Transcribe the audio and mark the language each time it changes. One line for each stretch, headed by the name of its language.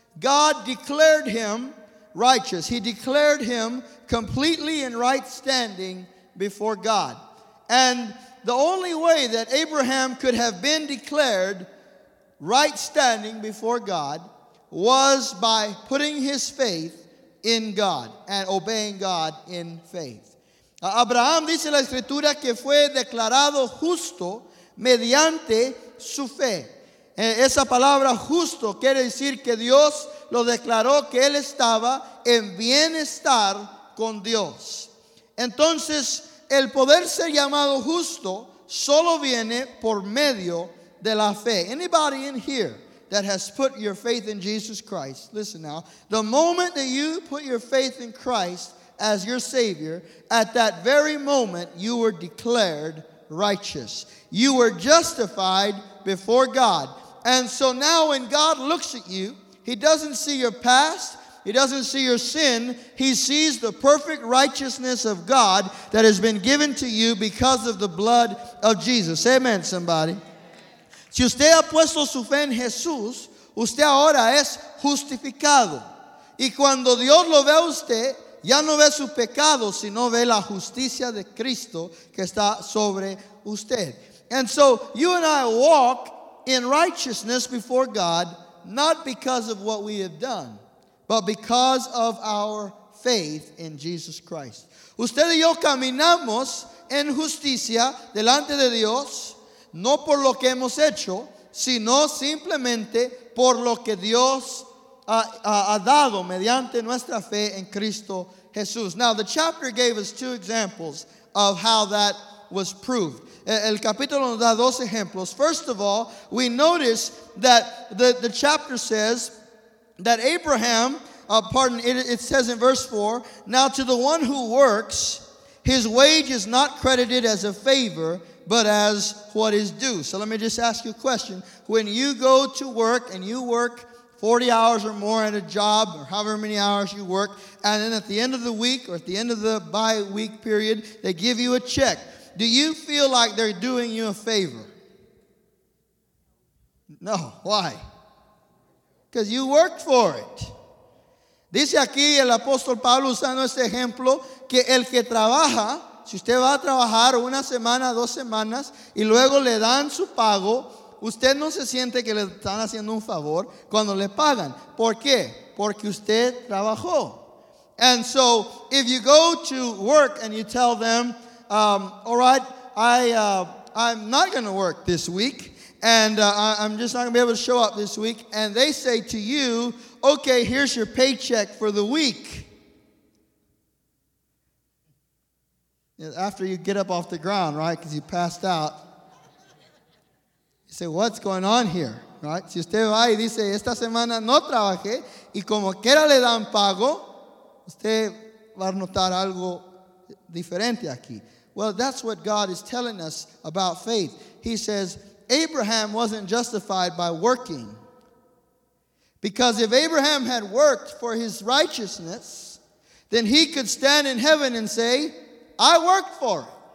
English: God declared him righteous. He declared him completely in right standing before God. And the only way that Abraham could have been declared right standing before God was by putting his faith in God and obeying God in faith.
Spanish: Abraham, dice la escritura, que fue declarado justo mediante su fe. Esa palabra justo quiere decir que Dios lo declaró que él estaba en bienestar con Dios. Entonces, el poder ser llamado justo solo viene por medio de la fe.
English: Anybody in here that has put your faith in Jesus Christ, listen now, the moment that you put your faith in Christ as your Savior, at that very moment, you were declared righteous. You were justified before God. And so now when God looks at you, he doesn't see your past. He doesn't see your sin. He sees the perfect righteousness of God that has been given to you because of the blood of Jesus. Amen, somebody.
Spanish: Si usted ha puesto su fe en Jesús, usted ahora es justificado. Y cuando Dios lo ve a usted, ya no ve su pecado, sino ve la justicia de Cristo que está sobre usted.
English: And so you and I walk in righteousness before God, not because of what we have done, but because of our faith in Jesus Christ.
Spanish: Usted y yo caminamos en justicia delante de Dios, no por lo que hemos hecho, sino simplemente por lo que Dios ha dado mediante nuestra fe en Cristo Jesús.
English: Now, the chapter gave us two examples of how that was proved.
Spanish: El capítulo nos da dos ejemplos.
English: First of all, we notice that the chapter says that Abraham, it says in verse 4, now to the one who works, his wage is not credited as a favor, but as what is due. So let me just ask you a question. When you go to work and you work 40 hours or more at a job, or however many hours you work, and then at the end of the week or at the end of the bi-week period, they give you a check. Do you feel like they're doing you a favor? No. Why? Because you worked for it.
Spanish: Dice aquí el apóstol Pablo usando este ejemplo, que el que trabaja, si usted va a trabajar una semana, dos semanas, y luego le dan su pago, usted no se siente que le están haciendo un favor cuando le pagan. ¿Por qué? Porque usted trabajó.
English: And so, if you go to work and you tell them, all right, I'm not going to work this week, and I'm just not going to be able to show up this week, and they say to you, okay, here's your paycheck for the week. After you get up off the ground, right, because you passed out, you say, what's going on here, Right?
Spanish: Si usted va y dice, esta semana no trabajé, y como quiera le dan pago, usted va a notar algo diferente aquí.
English: Well, that's what God is telling us about faith. He says, Abraham wasn't justified by working. Because if Abraham had worked for his righteousness, then he could stand in heaven and say, I worked for it.